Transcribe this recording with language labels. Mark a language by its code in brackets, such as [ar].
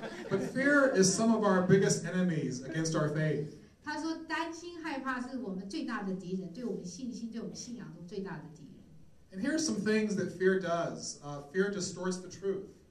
[en] But fear is some of our biggest enemies against our faith. [zh] 他说担心害怕是我们最大的敌人，对我们信心、对我们信仰都最大的敌人。And [en] here are some things that fear does. Fear distorts the truth.